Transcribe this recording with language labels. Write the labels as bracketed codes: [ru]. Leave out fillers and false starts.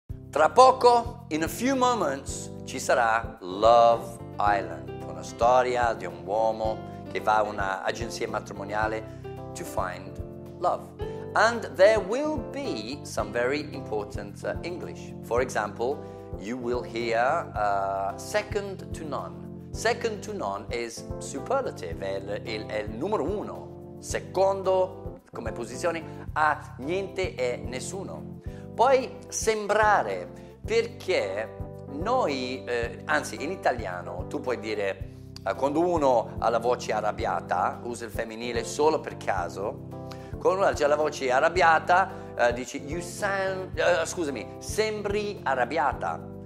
[it] Tra poco, [en] in a few moments, [it] ci sarà Love Island, una storia di un uomo che va a un'agenzia matrimoniale [en] to find love. And there will be some very important English. For example, you will hear second to none. Second to none is superlative, [it] è il numero uno. Secondo, come posizione, a niente e nessuno. Poi sembrare, perché noi, anzi in italiano, tu puoi dire quando uno ha la voce arrabbiata, usa il femminile solo per caso, quando uno ha la voce arrabbiata dici [en] you sound, [it] scusami, sembri arrabbiata.